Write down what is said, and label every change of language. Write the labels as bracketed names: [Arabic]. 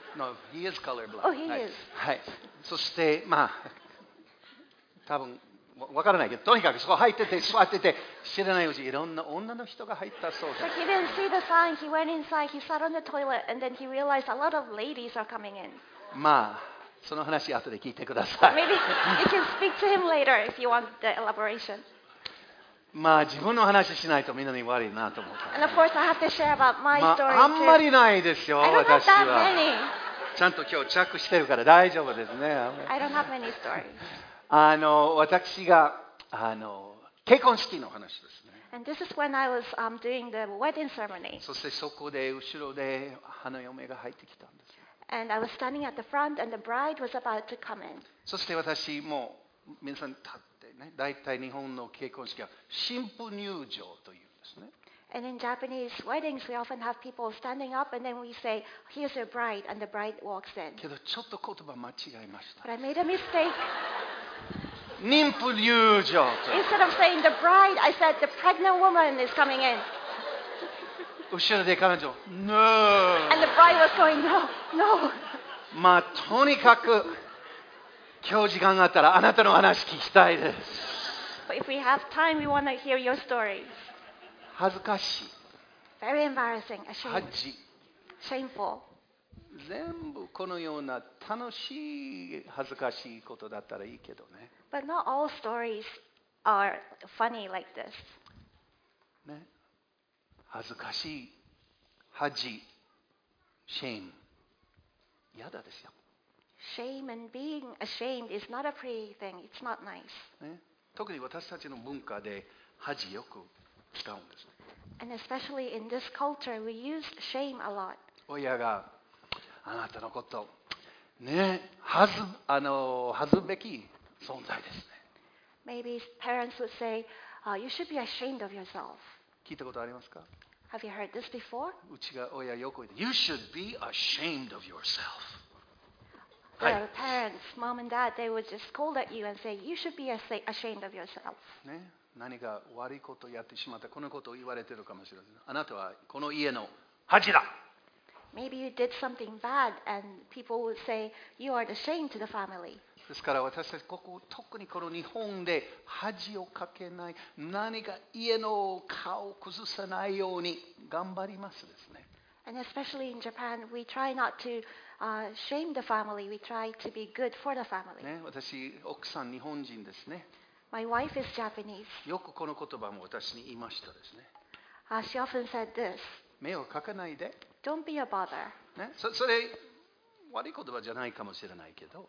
[English] No, he is colorblind. Oh, he is. [Japanese] はい。そして、まあ、多分わからないけど、とにかくそこ入ってて、座ってて、知らないうちいろんな女の人が入ったそうです。 [English] So he didn't see the sign. He went inside. He sat on the toilet. And then he realized a lot of ladies are coming in. [Japanese] まあ、その話後で聞いてください。 [English] Maybe you can speak to him later if you want the elaboration. [Japanese] まあ自分の話しないとみんなに悪いなと思った。 [English] And of course, I have to share about my story too. [Japanese] まああんまりないですよ、私は。 [English] I don't have that many. [Japanese] ちゃんと今日チャックしてるから大丈夫ですね。 [English] I don't have many stories. [Japanese] あの私があの結婚式の話ですね。 [English] And this is when I was doing the wedding ceremony. [Japanese] そしてそこで後ろで花嫁が入ってきたんです。 [English] And I was standing at the front, and the bride was about to come in. [Japanese] そして私も皆さん立ってね、大体日本の結婚式は新婦入場というんですね。 [English] And in Japanese weddings, we often have people standing up, and then we say, "Here's your bride," and the bride walks in. [Japanese] けどちょっと言葉間違えました。 [English] But I made a mistake. [Japanese] 妊婦入場と。 [English] Instead of saying the bride, I said the pregnant woman is coming in. [Japanese] 後ろで彼女、No. [English] And the bride was going, No, No. [Japanese] まあとにかく。今日時間があったらあなたの話聞きたいです。 [English] But if we have time, we want to hear your story. [Japanese] 恥ずかしい。 [English] Very embarrassing. Ashamed. [Japanese] 恥。 [English] Shameful. [Japanese] 全部このような楽しい恥ずかしいことだったらいいけどね。 [English] But not all stories are funny like this. [Japanese] ね。恥ずかしい。恥。Shame. 嫌だですよ。 [English] Shame and being ashamed is not a pretty thing. It's not nice. [Japanese] 特に私たちの文化で恥よく使うんです。 [English] And especially in this culture, we use shame a lot. [Japanese] 親があなたのことね、恥ずべき存在ですね。 [English] Maybe parents would say,you should be ashamed of yourself. [Japanese] 聞いたことありますか？ [English] Have you heard this before? [Japanese] うちが親よく言う。 [English] You should be ashamed of yourself. Their、はい、parents, mom and dad, they would just scold at you and say, you should be ashamed of yourself.、 [Japanese] ね、何か悪いことをやってしまった。このことを言われてるかもしれません。あなたはこの家の恥だ。 [English] Maybe you did something bad and people would say, you are the shame to the family. [Japanese] ですから私たちここ、特にこの日本で恥をかけない、何か家の顔を崩さないように頑張りますですね。 [English] And especially in Japan, we try not to、shame the family. We try to be good for the family.、 [Japanese] ね、私、奥さん日本人ですね。 [English] My wife is Japanese. [Japanese] よくこの言葉も私に言いましたですね。 [English] She often said this. [Japanese] 目をかけないで。 [English] Don't be a bother.、 [Japanese] ね、それ悪い言葉じゃないかもしれないけど。